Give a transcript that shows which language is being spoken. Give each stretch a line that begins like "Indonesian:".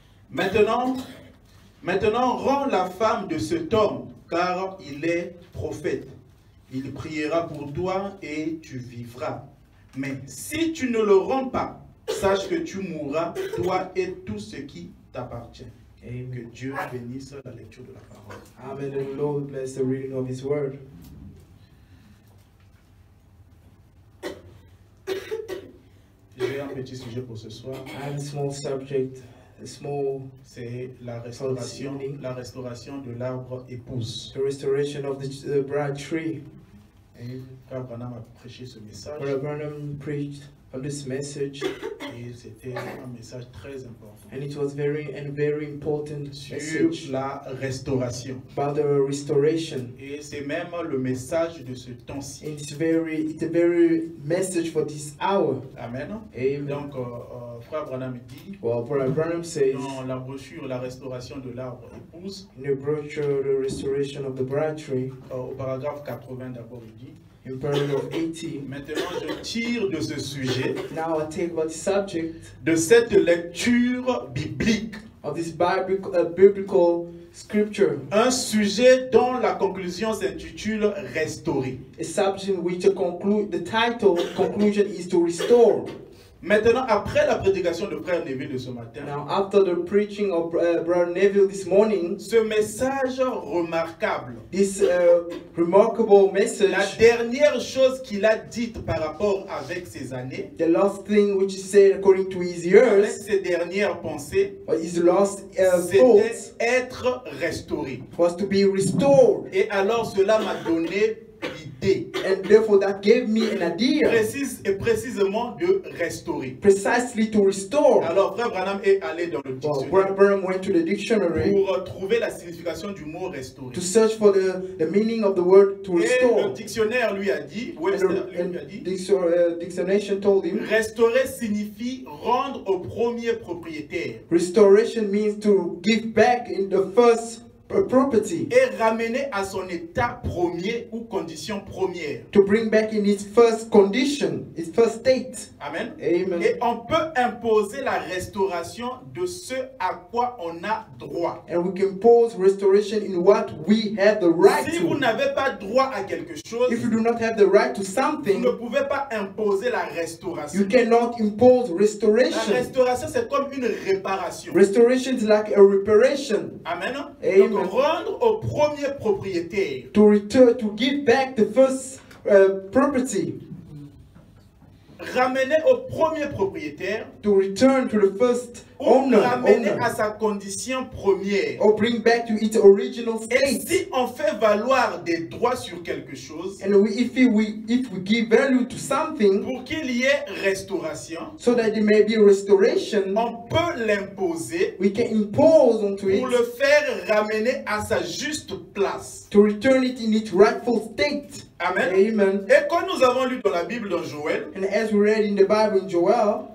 French: Maintenant, rends la femme de cet homme, car il est prophète. Il priera pour toi et tu vivras. Mais si tu ne le rends pas, sache que tu mourras, toi et tout ce qui t'appartient. Amen. Que Dieu bénisse la lecture de la parole. Amen.
English: The Lord bless the reading of his word.
French: J'ai un petit sujet pour ce soir.
English: I have a small subject.
French: C'est la restauration, de l'arbre épouse.
English: The restoration of the bride tree.
French: Et Frère Branham a prêché ce message.
English: Frère Branham preached on this message.
French: Et c'était un message très important.
English: And it was very and very important
French: sur
English: message.
French: La restauration.
English: About the restoration.
French: Et c'est même le message de ce temps-ci.
English: And it's a very message for this hour.
French: Amen.
English: Amen.
French: Donc Frère Branham dit.
English: Well, Frère Branham says.
French: Dans la brochure, la restauration de l'arbre épouse.
English: In the brochure, the restoration of the bride tree.
French: Au paragraphe 80 d'abord, il dit.
English: In paragraph 80.
French: Maintenant, je tire de ce sujet.
English: Now I take about the subject.
French: De cette lecture biblique.
English: Of this biblical scripture.
French: Un sujet dont la conclusion s'intitule restaurer.
English: A subject which the title conclusion is to restore.
French: Maintenant, après la prédication de Frère Neville de ce matin,
English: now, after the preaching of Brother Neville this morning,
French: ce message remarquable,
English: this remarkable message,
French: la dernière chose qu'il a dite par rapport avec ses années,
English: the last thing which he said according to his years,
French: avec ses dernières pensées,
English: his last
French: thoughts, être restauré,
English: was to be restored.
French: Et alors cela m'a donné l'idée.
English: And therefore that gave me an idea.
French: Précise et précisément de restaurer.
English: Precisely to restore.
French: Alors Frère Branham est allé dans le dictionnaire.
English: Well, Brother Branham went to the dictionary
French: pour trouver la signification du mot restaurer.
English: To search for the meaning of the word to restore.
French: Et le dictionnaire lui a dit,
English: dictionary told him,
French: restaurer signifie rendre au premier propriétaire.
English: Restoration means to give back in the first property.
French: Et ramener à son état premier ou condition première.
English: To bring back in its first condition, its first state.
French: Amen.
English: Amen.
French: Et on peut imposer la restauration de ce à quoi on a droit.
English: And we can impose restoration in what we have the right
French: si
English: to.
French: Si vous n'avez pas droit à quelque chose,
English: if you do not have the right to something,
French: vous ne pouvez pas imposer la restauration.
English: You cannot impose restoration.
French: La restauration c'est comme une réparation.
English: Restoration is like a reparation.
French: Amen.
English: Amen.
French: Donc, rendre au premier propriétaire.
English: To return, to give back the first property.
French: Ramener au premier propriétaire.
English: To return to the first owner.
French: Ou ramener à sa condition première.
English: Or bring back to its original state.
French: Et si on fait valoir des droits sur quelque chose.
English: And if we give value to something.
French: Pour qu'il y ait restauration.
English: So that there may be restoration.
French: On peut l'imposer.
English: We can impose onto
French: it. Pour le faire ramener à sa juste place.
English: To return it in its rightful state.
French: Amen.
English: Amen.
French: Et comme nous avons lu dans la Bible dans Joël,
English: and as we read in the Bible in Joel,